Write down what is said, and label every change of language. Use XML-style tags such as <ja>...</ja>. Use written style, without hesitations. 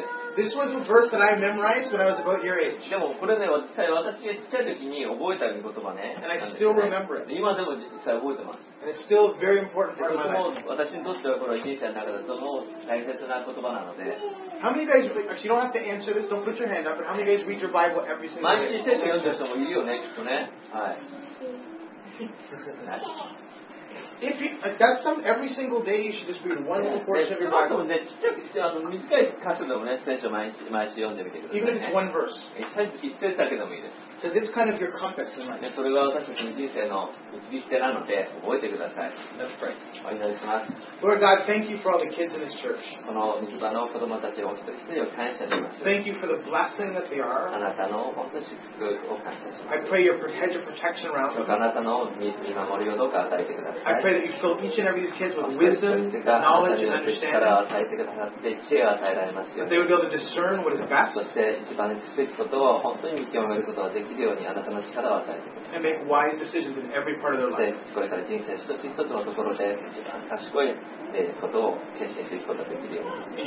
<en>This was a verse that I memorized when I was about your age.</en> <ja>でもこれね、私が小さい時に覚えた言葉ね。</ja> <en>And I still remember it.</en> <ja>今でも実際覚えてます。</ja> <en>And it's still a very important part of my life.</en> <ja>私にとってはこれ人生の中でとても大切な言葉なので。</ja> <en>How many guys, if you don't have to answer this, don't put your hand up, but how many guys read your Bible every single day?</en> <ja>毎日聖書読んでる人もいるよね、きっとね。はい。</ja> <en>If you, like that's some every single day you should just read one little portion of your Bible. Even if it's one verse. So this kind of your compass in life.</en> <ja>それが私たちの人生の導き手なので覚えてください。</ja> <en>Let's pray.</en> <ja>お祈りします。</ja> <en>Lord God, thank you for all the kids in this church.</en> <ja>この御座の子供たちを一人一人を感謝します。</ja> <en>Thank you for the blessing that they are.</en> <ja>あなたの本当祝福を感謝します。</ja> <en>I pray your hedge of protection around them.</en> <ja>あなたの見守りをどうか与えてください。</ja> <en>I pray that you fill each and every kid with wisdom, knowledge, and understanding. That they would be able to discern what is best.</en> <ja>そして一番すべきことを本当に見極めることができるようにあなたの力を与えてください。</ja> <en>And make wise decisions in every part of their life.</en> <ja>これから人生一つ一つのところで一番賢いことを決心していくことができるように。</ja>